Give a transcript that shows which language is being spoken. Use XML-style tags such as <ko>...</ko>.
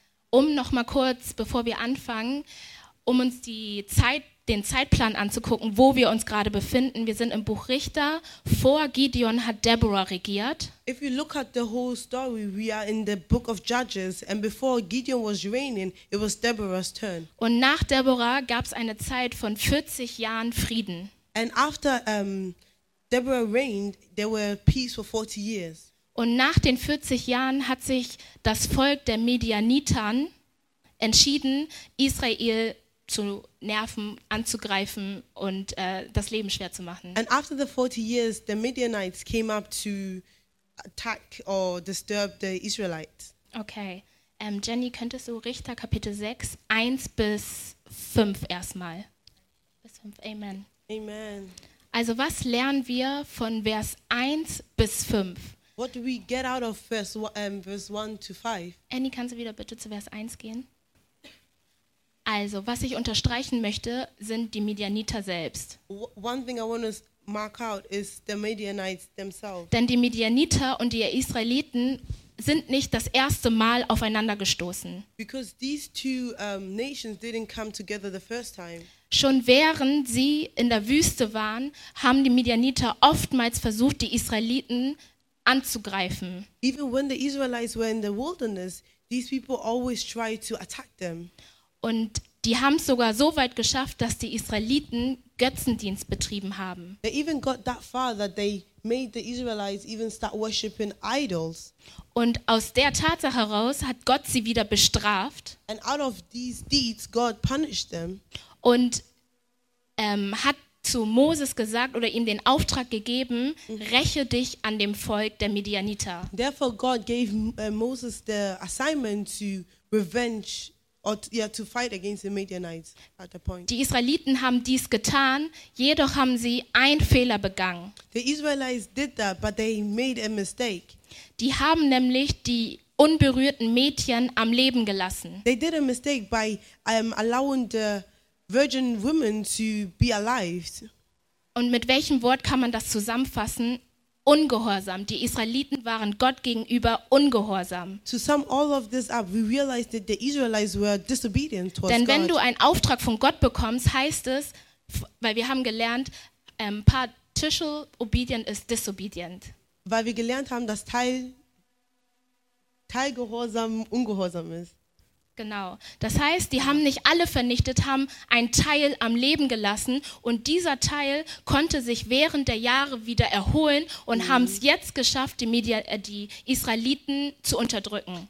<de>Um noch mal kurz, bevor wir anfangen, um uns den Zeitplan anzugucken, wo wir uns gerade befinden. Wir sind im Buch Richter. Vor Gideon hat Deborah regiert.</de> <en>If you look at the whole story, we are in the book of Judges. And before Gideon was reigning, it was Deborah's turn.</en> <de>Und nach Deborah gab es eine Zeit von 40 Jahren Frieden.</de> <en>And after Deborah reigned, there were peace for 40 years.</en> <de>Und nach den 40 Jahren hat sich das Volk der Midianitern entschieden, Israel zu nerven, anzugreifen und das Leben schwer zu machen.</de> <en>And after the 40 years, the Midianites came up to attack or disturb the Israelites. Okay.</en> <de>Jenny, könntest du Richter Kapitel 6, 1 bis 5 erstmal? Bis 5, Amen. Amen. Also was lernen wir von Vers 1 bis 5?</de> <en>What do we get out of verse 1 to 5?</en> <de>Annie, kannst du wieder bitte zu Vers 1 gehen? Also, was ich unterstreichen möchte, sind die Midianiter selbst.</de> <en>One thing I want to mark out is the Midianites themselves.</en> <de>Denn die Midianiter und die Israeliten sind nicht das erste Mal aufeinander gestoßen.</de> <en>Because these two nations didn't come together the first time.</en> <de>Schon während sie in der Wüste waren, haben die Midianiter oftmals versucht, die Israeliten anzugreifen.</de> <en>Even when the Israelites were in the wilderness, these people always tried to attack them.</en> <de>Und die haben es sogar so weit geschafft, dass die Israeliten Götzendienst betrieben haben.</de> <en>They even got that far that they made the Israelites even start worshiping idols.</en> <de>Und aus der Tatsache heraus hat Gott sie wieder bestraft.</de> <en>And out of these deeds, God punished them.</en> <de>Und hat zu Moses gesagt oder ihm den Auftrag gegeben, räche dich an dem Volk der Midianiter.</de> <en>Therefore God gave Moses the assignment to revenge or to fight against the Midianites at the point.</en> <de>Die Israeliten haben dies getan, jedoch haben sie einen Fehler begangen.</de> <en>The Israelites did that, but they made a mistake.</en> <de>Die haben nämlich die unberührten Mädchen am Leben gelassen.</de> <en>They did a mistake by allowing the virgin women to be alive.</en> <de>Und mit welchem Wort kann man das zusammenfassen? Ungehorsam. Die Israeliten waren Gott gegenüber ungehorsam.</de> <en>To sum all of this up, we realized that the Israelites were disobedient towards God.</en> <de>Denn wenn du einen Auftrag von Gott bekommst, heißt es, weil wir haben gelernt,</de> <en>partial obedient is disobedient.</en> <de>Weil wir gelernt haben, dass Teilgehorsam ungehorsam ist. Genau. Das heißt, die haben nicht alle vernichtet, haben einen Teil am Leben gelassen und dieser Teil konnte sich während der Jahre wieder erholen und haben es jetzt geschafft, die Israeliten zu unterdrücken.</de>